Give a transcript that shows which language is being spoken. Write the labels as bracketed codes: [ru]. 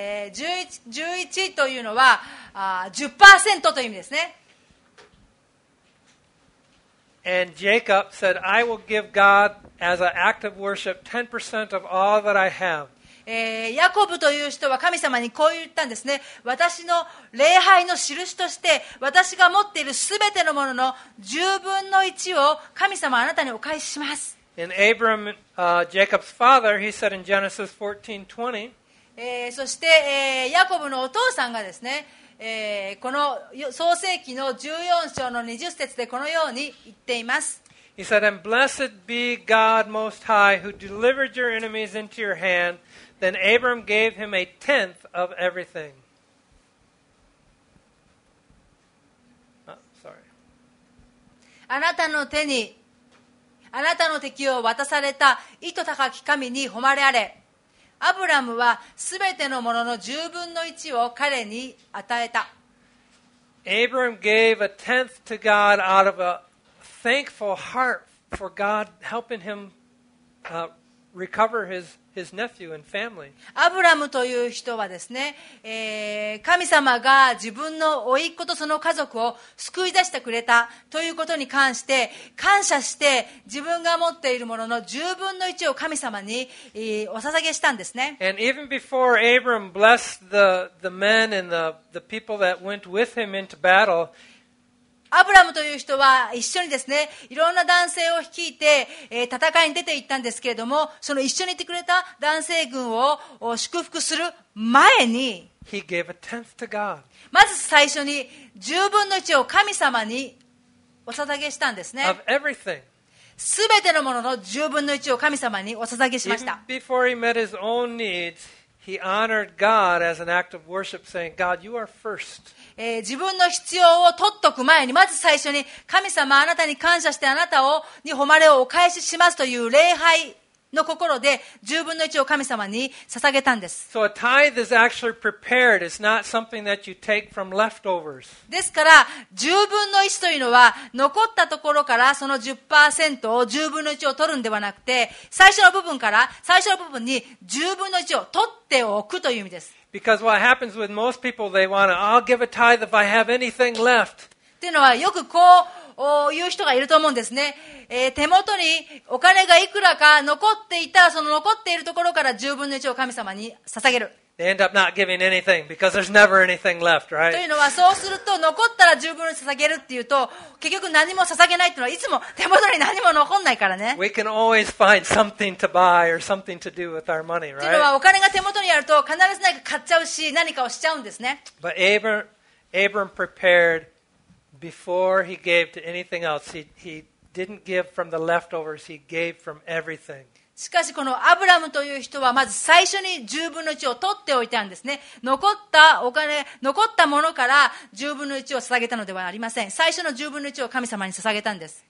[ja] 11というのは 10% という意味ですね。 [en] And Jacob said, I will give God as an act of worship 10% of all that I have. [ja] ヤコブという人は神様にこう言ったんですね。私の礼拝の印として、私が持っているすべてのものの10分の1を神様あなたにお返しします。 [en] In Abram, Jacob's father, he said in Genesis 14:20. [ja] そして、ヤコブのお父さんがですね、この創世記の14章の20節でこのように言っています。 [en] He said, "And blessed be God Most High, who delivered your enemies into your hand." Then Abram gave him a tenth of everything. [ja] あなたの手に。あなたの敵を渡された意図高き神に誉れあれ。アブラムはすべてのものの十分の一を彼に与えた。 [en] Abram gave a tenth to God out of a thankful heart for God helping him, recover his nephew and family. [ja] アブラムという人はですね、神様が自分の甥っ子とその家族を救い出してくれたということに関して感謝して自分が持っているものの十分の一を神様に、お捧げしたんですね。 [en] And even before Abram blessed the men and the people that went with him into battle, [ja] アブラムという人は一緒にですね、いろんな男性を率いて、戦いに出て行ったんですけれども、その一緒に行ってくれた男性軍を祝福する前に、 [en] He gave a tenth to God. [ja] まず最初に十分の一を神様にお捧げしたんですね。 [en] Of everything. [ja] すべてのものの十分の一を神様にお捧げしました。 [en] Even before he met his own needs, he honored God as an act of worship, saying, God, you are first. [ja] 自分の必要を取っておく前にまず最初に神様あなたに感謝してあなたをに誉れをお返ししますという礼拝の心で十分の一を神様に捧げたんです。 [en] So a tithe is actually prepared. It's not something that you take from leftovers. [ja] ですから十分の一というのは残ったところからその 10% を十分の一を取るんではなくて最初の部分から最初の部分に十分の一を取っておくという意味です。 [en] Because what happens with most people, they want to, I'll give a tithe if I have anything left. [ja] っていうのはよくこういう人がいると思うんですね。手元にお金がいくらか残っていたらその残っているところから十分の一を神様に捧げる。 [en] They end up not giving anything because there's never anything left, right? [ja] というのはそうすると残ったら十分に捧げるっていうと結局何も捧げないっていうのはいつも手元に何も残んないからね。 [en] We can always find something to buy or something to do with our money, right? [ja] というのはお金が手元にあると必ず何か買っちゃうし何かをしちゃうんですね。 [en] But Abram prepared before he gave to anything else. He didn't give from the leftovers. He gave from everything. [ja] しかしこのアブラムという人はまず最初に十分の一を取っておいたんですね。残ったお金、残ったものから十分の一を捧げたのではありません。最初の十分の一を神様に捧げたんです。